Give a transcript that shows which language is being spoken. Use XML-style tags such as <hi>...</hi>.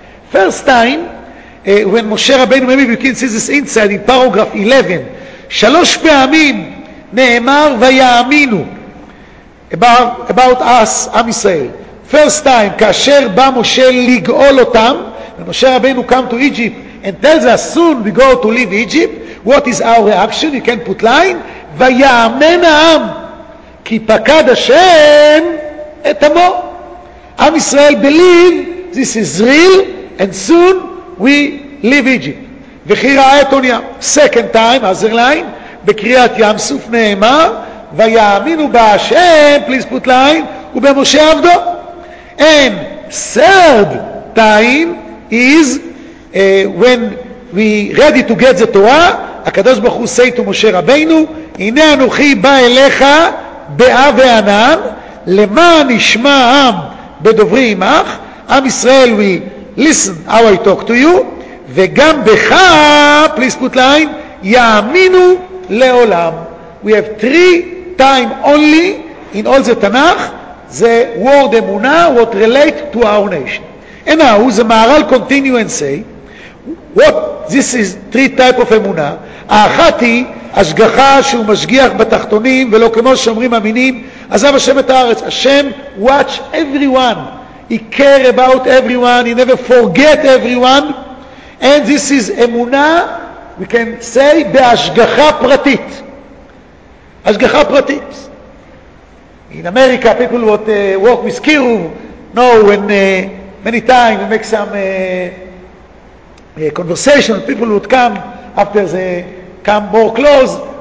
<en>First time, when Moshe Rabbeinu, maybe you can see this inside in paragraph 11.</en> <he>Shalosh pe'amim ne'emar ve'yaminu.</he> <en>about us, Am Yisrael. First time,</en> <he>כאשר בא משה לגאול אותם,</he> <en>ומשה רבינו come to Egypt and tells us, soon we go to leave Egypt, what is our reaction? You can put line.</en> <he>ויאמן העם, כי פקד השם את עמו.</he> <en>Am Yisrael believe, this is real, and soon we leave Egypt.</en> <he>וכי ראה את אונייה,</he> <en>second time, other line,</en> <he>בקריאת ים סוף נאמר, ויאמינו בהשם,</he> <en>please put line,</en> <he>ובמשה עבדו.</he> <en>And third time is when we ready to get the Torah, הקדוש ברוך הוא say to משה רבינו,</en> <he>הנה אנוכי בא אליך באה וענן, למען ישמע עם בדוברי עמך, עם ישראל,</he> <en>we listen how I talk to you,</en> <he>וגם בך,</he> <en>please put line,</en> <he>יאמינו לעולם.</he> <en>We have three time only in all the Tanakh, the word emunah, what relate to our nation. And now, the Maharal continue and say, what, this is three type of emunah.</en> <he>האחת היא, השגחה שהוא משגיח בתחתונים, ולא כמו שאומרים אמינים, עזב השם את הארץ.</he> <en>השם watch everyone. He care about everyone. He never forget everyone. And this is emunah, we can say, בהשגחה פרטית. השגחה פרטית. In America, people would work with Kiruv, know, and many times we make some conversation, people would come after the come more close.</en>